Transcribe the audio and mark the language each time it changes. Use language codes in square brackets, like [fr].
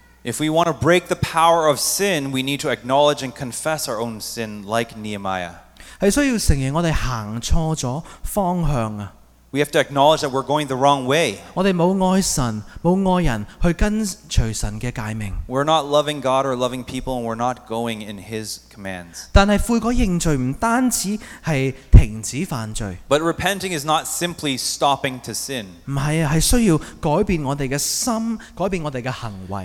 [en] If we want to break the power of sin, we need to acknowledge and confess our own sin like Nehemiah. [zh] 是需要承認我們走錯了方向啊。 [en] We have to acknowledge that we're going the wrong way. [zh] 我們沒有愛神,沒有愛人去跟隨神的戒命。 [en] We're not loving God or loving people and we're not going in His commands. [zh] 但是悔改認罪不單止是停止犯罪。 [en] But repenting is not simply stopping to sin. [zh] 不是,是需要改變我們的心,改變我們的行為。